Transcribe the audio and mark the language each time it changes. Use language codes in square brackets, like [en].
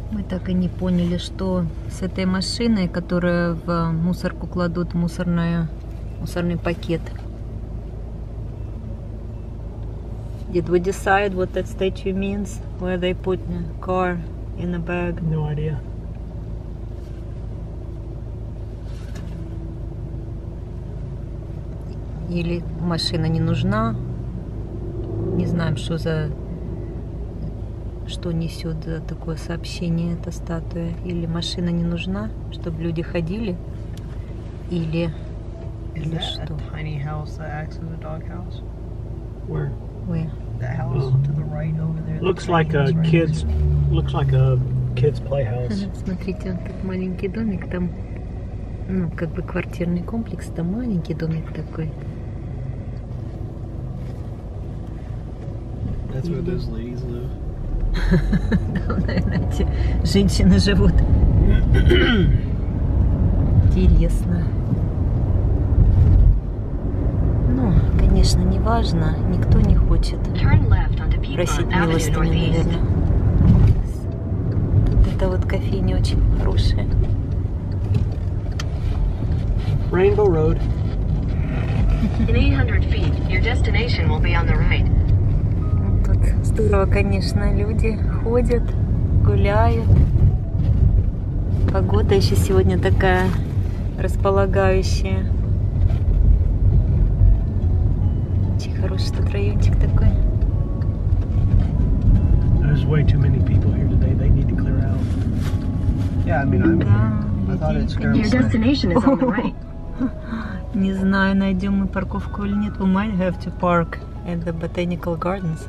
[ru] Так и не поняли, что с этой машиной, которая в мусорку кладут мусорный пакет. [en] Did we decide what that statue means? Where they put a car in a bag? No idea. [ru] Или машина не нужна. Не знаем, что за... Что несет за такое сообщение эта статуя? Или машина не нужна, чтобы люди ходили? Или что? [en] Is that a tiny house that acts as a doghouse? Where? Where? The house to the right over there. Looks like a kid's. Looks like a kid's playhouse. [ru] Смотрите, он как маленький домик там. Ну, как бы квартирный комплекс, там маленький домик такой. [en] That's where those ladies live. [ru] Наверное, эти женщины живут. Интересно. Ну, конечно, не важно. Никто не хочет просить милостыню, наверное. Тут эта вот кофейня очень хорошая. [en] Rainbow Road. In 800 feet, your destination will be on the right. [ru] Здорово, конечно, люди ходят, гуляют. Погода еще сегодня такая располагающая. Очень хороший тут райончик такой. [en] There's way too many people here today. They need to clear out. Yeah, I mean, I'm here. I thought it's your destination is on the right. [ru] Не знаю, найдем мы парковку или нет. [en] We might have to park at the botanical gardens.